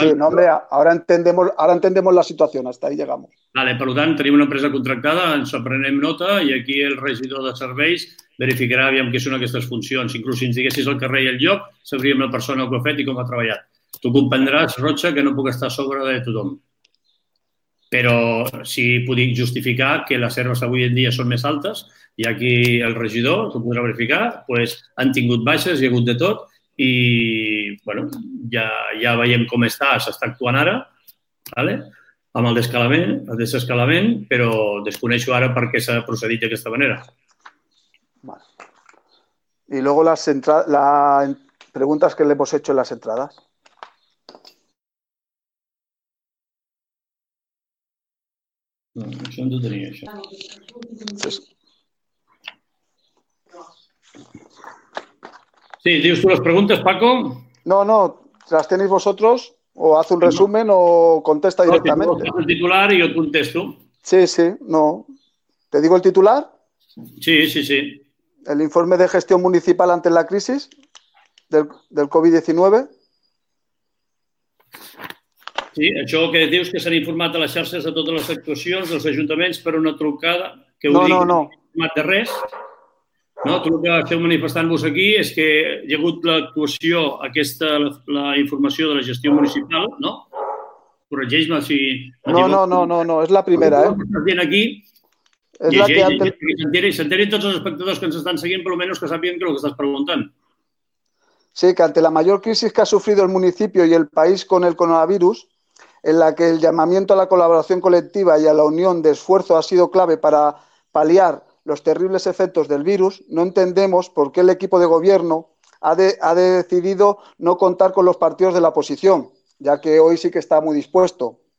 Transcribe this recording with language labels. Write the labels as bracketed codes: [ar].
[es] Sí, no, hombre, ahora entendemos la situació, hasta ahí llegamos. [ca] Vale, per tant, tenim una empresa contractada, ens prenem nota i aquí el regidor de serveis verificarà aviam què són aquestes funcions. Inclús si ens diguessis el carrer i el lloc, sabríem la persona que ho ha fet i com ha treballat. Tu comprendràs, Rocha, que no puc estar a sobre de tothom. Però sí puc justificar que les herbes avui en dia són més altes, i aquí el regidor, tu podrà verificar, pues, han tingut baixes, hi ha hagut de tot, i bueno, ja veiem com està, s'està actuant ara, ¿vale? Amb el desescalament, però desconeixo ara per què s'ha procedit d'aquesta manera. [es] Y luego las preguntas que le hemos hecho en las entradas. [ca] No, això no ho tenia, això. Sí, dius tu les preguntes, Paco? No, les teniu vosaltres, o [es] haz un resumen o contesta [ca] directament. No, el titular i jo et contesto. [es] Sí, no. ¿Te digo el titular? Sí. ¿El informe de gestión municipal ante la crisis del COVID-19? [ca] Sí, això que dius que s'han informat a les xarxes de totes les actuacions dels ajuntaments per una trucada, que no, ho dic, no, no. No he informat de res. No, tu el que esteu manifestant-vos aquí és que hi ha hagut l'actuació, aquesta, la informació de la gestió municipal, no? Corregeix-me si... No, és la primera, eh? Estàs dient aquí... És llegeix, la que [es] ante... [ca] s'enterin tots els espectadors que ens estan seguint, però almenys que sàpiguen que el que estàs preguntant. [es] Sí, que ante la mayor crisis que ha sufrido el municipio y el país con el coronavirus, en la que el llamamiento a la colaboración colectiva y a la unión de esfuerzo ha sido clave para paliar los terribles efectos del virus, no entendemos por qué el equipo de gobierno ha decidido no contar con los partidos de la oposición, ya que hoy sí que está muy dispuesto.